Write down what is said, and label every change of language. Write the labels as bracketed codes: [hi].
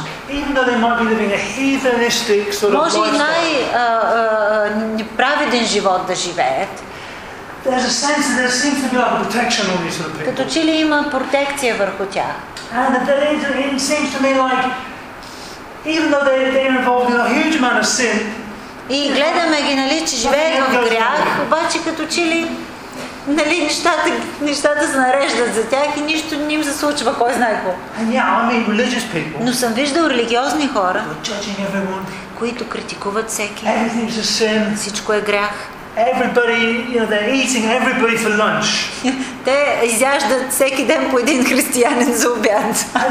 [en] Even though they might be living a heathenistic sort of life. [bg] Може и най неправеден живот да живеят. [en] There's a sense that there seems to be a protection on these sort of people. [bg] Като че ли има протекция върху тях. [en] And it seems to me like, even though they're involved in a huge amount of sin, [bg] и гледаме ги, нали, че живеят в грях, обаче като че ли, нали, нещата се нареждат за тях и нищо не им се случва, кой знае какво. [en] And yeah, I mean religious people. [bg] Но съм виждал религиозни хора, [en] judging everyone, [bg] които критикуват всеки. [en] Everything's a sin. [bg] Всичко е грях. [en] Everybody, you know, they're eating everybody for lunch. [bg] Те изяждат всеки ден по един християнин за обяд.